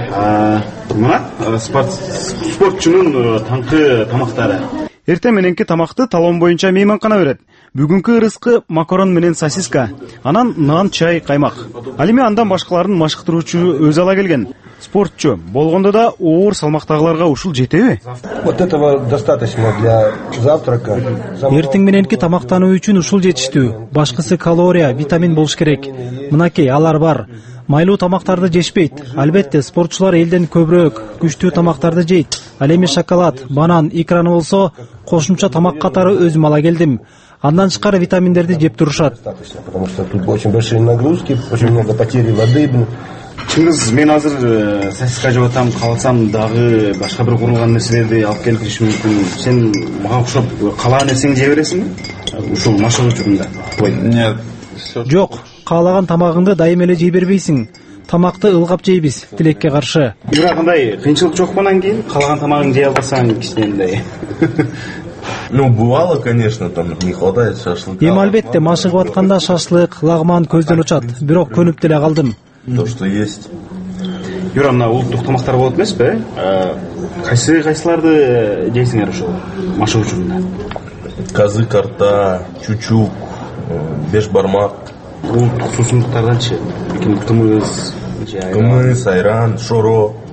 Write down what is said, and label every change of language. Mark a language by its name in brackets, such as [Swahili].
[Kyrgyz] Мына спортчунун таңкы тамактары. Эртең мененки тамакты талон боюнча мейманкана берет. Бүгүнкү ырыскы макарон менен сосиска, анан нан, чай, каймак. Ал эми андан башкаларын машыктыруучу өзү ала келген. Спортчу болгондо да оор салмактагыларга ушул жетеби? [Russian] Вот этого достаточно для завтрака. [Kyrgyz] Эртең мененки тамактануу үчүн ушул жетиштүү. Башкысы калория, витамин болуш керек. Мынакей алар бар. Майлуу тамактарды жешпейт. Албетте, спортчулар элден көбүрөөк күчтүү тамактарды жейт. Ал эми шоколад, банан, икран болсо, кошумча тамак катары өзүм ала келдим. Андан тышкары витаминдерди жеп турушат. [Russian] Потому что тут очень большие нагрузки, очень много потери воды. [Kyrgyz] Чыңгыз, мен азыр сосиска жеп атам, калсам дагы башка бир курулган нерселерди алып келип киришим мүмкүн. Сен мага окшоп калаган нерсеңди жей бересиңби? Ушул машыгууда. [Russian] Нет. [Kyrgyz] Жок. Каалаган тамагыңды дайым эле жей бербейсиң. Тамакты ылгап жейбиз, тилекке каршы. Бирок андай кыйынчылык жок болгондон кийин каалаган тамагыңды жей албасаң кичинендей. [Russian] Ну, бывало, конечно, там не хватает шашлыка. [Kyrgyz] Эми албетте, машыгып атканда шашлык, лагман көздөн учат, бирок көнүп деле калдым. [Russian] То, что есть. [Kyrgyz] Юра, мына улуттук тамактар болот эмеспи? Кайсыларды жейсиңер ошол машыгуу учурунда? Казы карта, чучук, беш бармак. Улуттук суусундуктарданчы? Экин кымыз, кымыз, айран, шоро.